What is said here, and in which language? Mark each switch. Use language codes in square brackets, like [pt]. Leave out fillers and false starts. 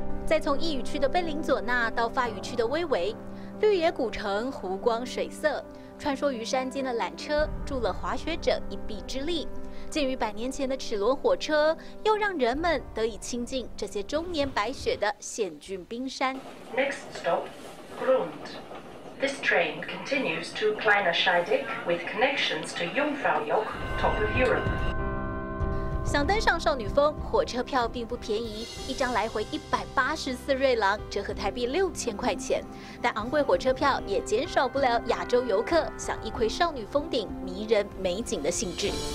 [zh] 再从意语区的贝林佐纳到法语区的威维，绿野古城，湖光水色，穿梭于山间的缆车助了滑雪者一臂之力，鉴于百年前的齿轮火车，又让人们得以亲近这些终年白雪的险峻冰山。 [en] Next stop, Grund. This train continues to Kleiner Scheidegg with connections to Jungfraujoch, top of Europe. [zh] 想登上少女峰，火车票并不便宜，一张来回184瑞郎，折合台币6000块钱。但昂贵火车票也减少不了亚洲游客想一窥少女峰顶迷人美景的兴致。